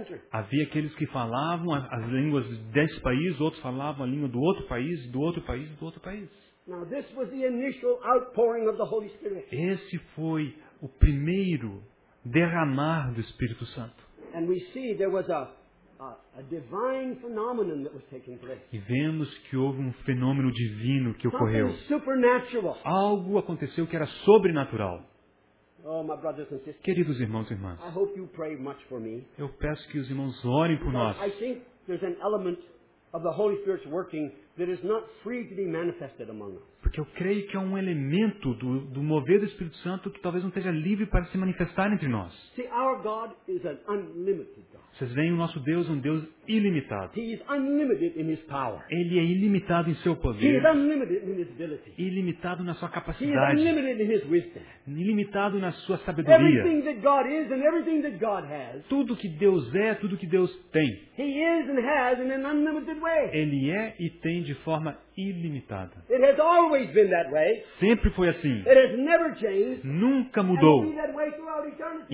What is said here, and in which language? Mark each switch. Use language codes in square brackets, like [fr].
[pt] Havia aqueles que falavam as línguas desse país, outros falavam a língua do outro país, do outro país, do outro país. [en] Now, this was the initial outpouring of the Holy Spirit. [pt] Esse foi o primeiro derramar do Espírito Santo. [en] And we see there was a divine phenomenon that was taking place. [pt] E vemos que houve um fenômeno divino que ocorreu. [en] Something supernatural. [pt] Algo aconteceu que era sobrenatural. [en] Oh, my brothers and sisters, [pt] queridos irmãos e irmãs, [en] I hope you pray much for me. [pt] Eu peço que os irmãos orem por nós. [en] I think there's an element of the Holy Spirit's working that is not free to be manifested among us. [pt] Porque eu creio que há um elemento do mover do Espírito Santo que talvez não esteja livre para se manifestar entre nós. [en] See, our God is an unlimited God. [pt] Vocês veem, o nosso Deus é um Deus ilimitado. [en] He is unlimited in his power. [pt] Ele é ilimitado em seu poder. [en] He is unlimited in his ability. [pt] Ilimitado na sua capacidade. [en] He is unlimited in his wisdom. [pt] Ilimitado na sua sabedoria. [en] Everything that God is and everything that God has, [pt] tudo que Deus é, tudo que Deus tem. [en] He is and has in an unlimited way. [pt] Ele é e tem de forma ilimitada. [en] It has always been that way. [pt] Sempre foi assim. [en] It has never changed. [pt] Nunca mudou. [en] And it will be that way throughout eternity.